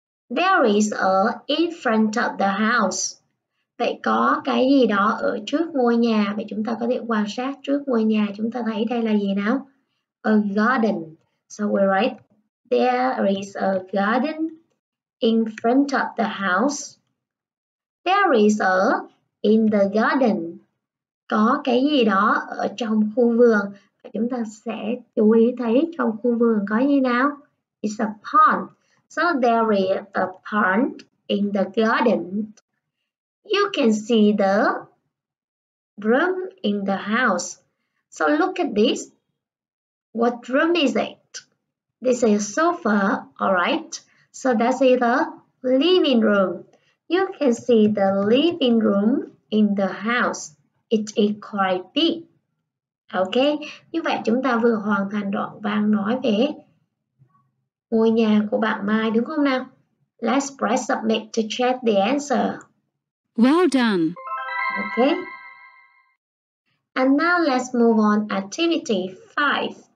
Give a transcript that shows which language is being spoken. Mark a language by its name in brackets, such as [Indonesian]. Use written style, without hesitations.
[English] There is a in front of the house. [Vietnamese] Vậy có cái gì đó ở trước ngôi nhà. Vậy chúng ta có thể quan sát trước ngôi nhà. Chúng ta thấy đây là gì nào? [English] A garden. So we write, there is a garden in front of the house. There is a in the garden. [Vietnamese] Có cái gì đó ở trong khu vườn. Vậy chúng ta sẽ chú ý thấy trong khu vườn có gì nào? [English] It's a pond. So there is a pond in the garden. You can see the room in the house. So look at this. What room is it? This is a sofa, all right? So that's it, the living room. You can see the living room in the house. It is quite big. [Vietnamese] Okay, như vậy chúng ta vừa hoàn thành đoạn văn nói về ngôi nhà của bạn Mai, đúng không nào? [English] Let's press submit to check the answer. Well done. Okay. And now let's move on activity 5.